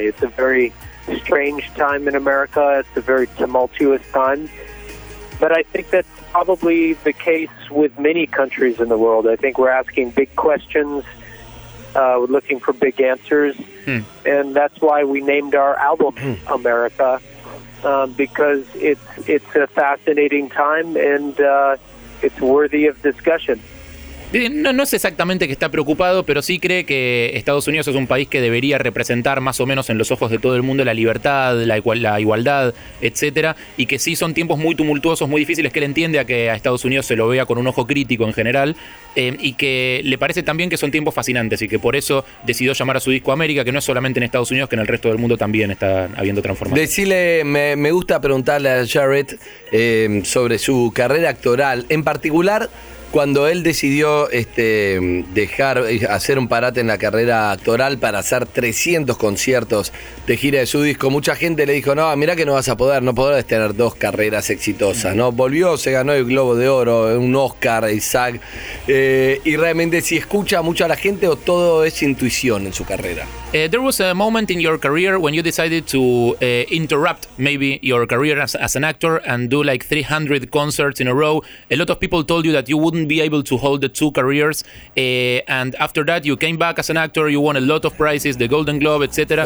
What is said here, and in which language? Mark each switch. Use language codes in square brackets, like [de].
[en] It's a very strange time in America. It's a very tumultuous time, but I think that's probably the case with many countries in the world. I think we're asking big questions, we're looking for big answers, and that's why we named our album America, because it's a fascinating time, and it's worthy of discussion. [es] No es exactamente que está preocupado, pero sí cree que Estados Unidos es un país que debería representar más o menos en los ojos de todo el mundo la libertad, la igualdad, etcétera, y que sí son tiempos muy tumultuosos, muy difíciles, que él entiende a que a Estados Unidos se lo vea con un ojo crítico en general, y que le parece también que son tiempos fascinantes y que por eso decidió llamar a su disco América, que no es solamente en Estados Unidos, que en el resto del mundo también está habiendo transformación. Decile, me gusta preguntarle a Jared sobre su carrera actoral, en particular cuando él decidió dejar, hacer un parate en la carrera actoral para hacer 300 conciertos de gira de su disco, mucha gente le dijo, no, mirá que no vas a poder, no podrás tener dos carreras exitosas, ¿no? Volvió, se ganó el Globo de Oro, un Oscar, Isaac, y realmente si escucha mucho a la gente o todo es intuición en su carrera. [en] There was a moment in your career when you decided to interrupt maybe your career as an actor and do like 300 concerts in a row. A lot of people told you that you wouldn't be able to hold the two careers. And after that, you came back as an actor. You won a lot of prizes, the Golden Globe, etc.